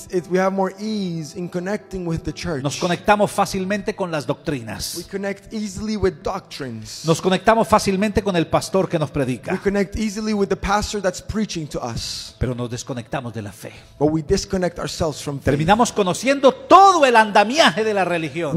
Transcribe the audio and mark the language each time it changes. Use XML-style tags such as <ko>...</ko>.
<en>We have more ease in connecting with the church.</en> <es>Nos conectamos fácilmente con las doctrinas.</es> <en>We connect easily with doctrines.</en> <es>Nos conectamos fácilmente con el pastor que nos predica.</es> <en>We connect easily with the pastor that's preaching to us.</en> <es>Pero nos desconectamos de la fe.</es> <en>But we disconnect ourselves from faith.</en> <es>Terminamos conociendo todo el andamiaje de la religión.</es>